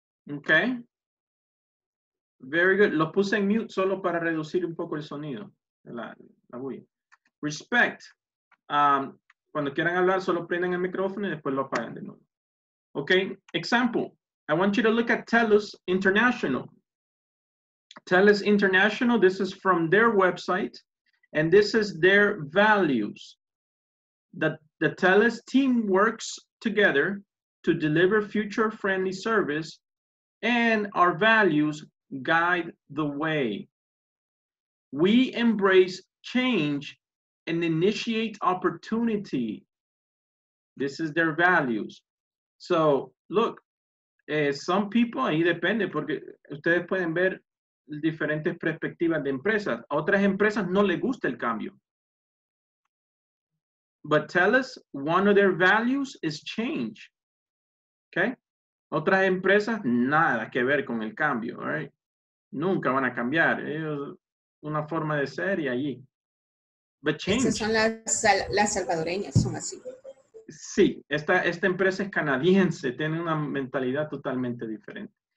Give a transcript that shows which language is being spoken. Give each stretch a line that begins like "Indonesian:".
English: Okay. Very good.
Spanish: Lo puse en mute solo para reducir un poco el sonido. La bulla.
English: Respect.
Spanish: Cuando quieran hablar, solo prenden el micrófono y después lo apagan de nuevo.
English: Okay, example. I want you to look at TELUS International. TELUS International, this is from their website, and this is their values. The TELUS team works together to deliver future-friendly service, and our values guide the way. We embrace change and initiate opportunity. This is their values. So, look, some people,
Spanish: ahí depende, porque ustedes pueden ver diferentes perspectivas de empresas. A otras empresas no les gusta el cambio.
English: But tell us, one of their values is change. Okay?
Spanish: Otras empresas, nada que ver con el cambio,
English: right?
Spanish: Nunca van a cambiar. Ellos, una forma de ser y allí.
English: But change.
Spanish: Esas son las salvadoreñas, son así. Sí, esta empresa es canadiense, tiene una mentalidad totalmente diferente.